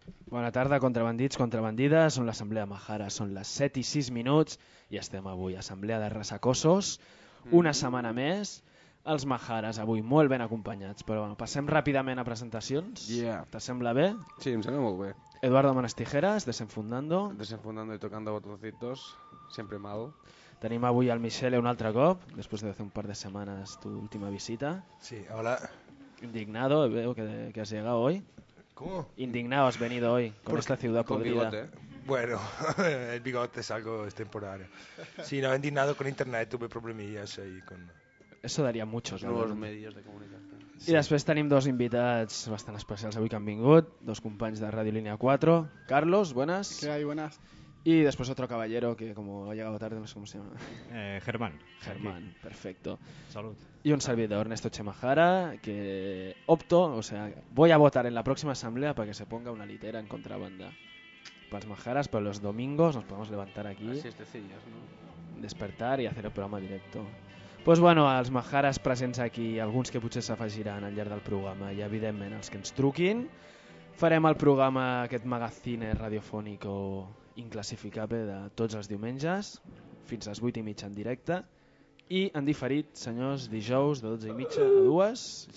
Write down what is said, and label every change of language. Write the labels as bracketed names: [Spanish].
[Catalan] Bona tarda, contrabandits, contrabandides. Som l'Assemblea de Majades, són les 7 i 6 minuts i estem avui a Assemblea de Ressacossos. Una setmana més, els Majades avui molt ben acompanyats. Però bueno, passem ràpidament a presentacions. [English] Yeah. [Catalan] T'assembla bé? Sí, em sembla molt bé. [Spanish] Eduardo Manos Tijeras, Desenfundando. Desenfundando y tocando botoncitos, siempre mal. [Catalan] Tenim avui al Michele un altre cop, després de fer un par de setmanes [Spanish] tu última visita. Sí, hola. Indignado, veo que has llegado hoy. ¿Cómo? Indignado, has venido hoy, con esta ciudad podrida. Con bigote. Bueno, el bigote es algo extemporáneo. Sí, no, indignado con internet, tuve problemillas ahí con... Eso daría muchos, ¿no? Nuevos medios de comunicación. [Catalan] Sí. I després tenim dos invitats bastant especials avui que han vingut, dos companys de Radio Línia 4. [Spanish] Carlos, buenas. ¿Qué hay, buenas? Y después otro caballero que como ha llegado tarde, no sé cómo se llama. Germán. Germán, aquí. Perfecto. Salud. Y un servidor, Ernesto Chemajara, que opto, o sea, voy a votar en la próxima asamblea para que se ponga una litera en contrabanda. Para los majaras, pero los domingos nos podemos levantar aquí. Así es, decillas, ¿no? Despertar y hacer el programa directo. [Catalan] Doncs pues bueno, els majares presents aquí, alguns que potser s'afegiran al llarg del programa i evidentment els que ens truquin, farem el programa, aquest magazine radiofònic o inclassificable de tots els diumenges, fins a les 8 i mitja en directe, i en diferit, senyors, dijous de 12 i mitja a 2.